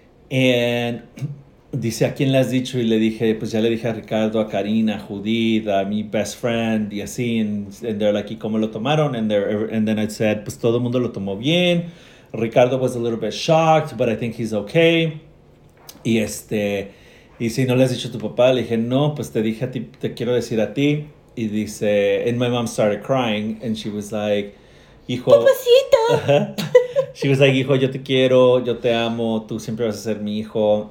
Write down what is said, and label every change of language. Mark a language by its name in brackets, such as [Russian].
[English] And [Spanish] dice, ¿a quién le has dicho? Y le dije, pues ya le dije a Ricardo, a Karina, a Judith, a mi best friend, y así. [English] And they're like, [Spanish] ¿y cómo lo tomaron? [English] And then I said, [Spanish] pues todo el mundo lo tomó bien. [English] Ricardo was a little bit shocked, but I think he's okay. [Spanish] Y este, y si no le has dicho a tu papá, le dije, no, pues te dije a ti, te quiero decir a ti. Y dice, [English] and my mom started crying, and she was like, [Spanish] hijo, papacito. [English] She was like, [Spanish] hijo, yo te quiero, yo te amo, tú siempre vas a ser mi hijo.